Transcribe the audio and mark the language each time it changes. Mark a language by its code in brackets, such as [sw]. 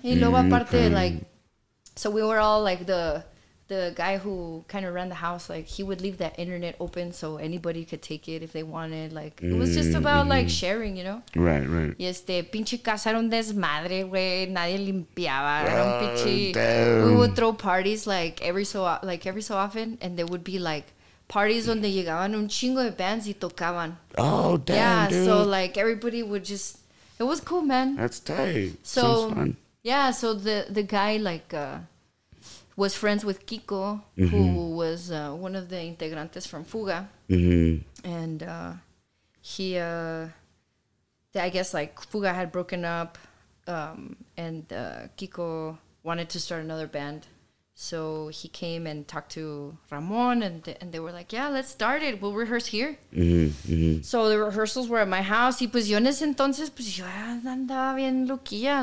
[es] Y luego aparte, [en] like, so we were all, like, the guy who kind of ran the house, like, he would leave that internet open so anybody could take it if they wanted. Like, it was just about, like, sharing, you know? Right, right. [es] Y pinche casa era un desmadre, güey. Nadie limpiaba. Era un pinche. Damn. [en] We would throw parties, like, every so often, and there would be, like, [es] parties donde llegaban un chingo de bands y tocaban. [en] Oh, damn, yeah, dude. So, like, everybody would just... It was cool, man. That's tight. So fun. Yeah, so the guy, like, was friends with Kiko, mm-hmm. who was one of the integrantes from Fuga. Mm-hmm. And he... I guess, like, Fuga had broken up, and Kiko wanted to start another band. So he came and talked to Ramon, and they were like, yeah, let's start it. We'll rehearse here. Mm-hmm, mm-hmm. So the rehearsals were at my house. [es] Y pues yo en ese entonces, pues yo andaba bien loquilla.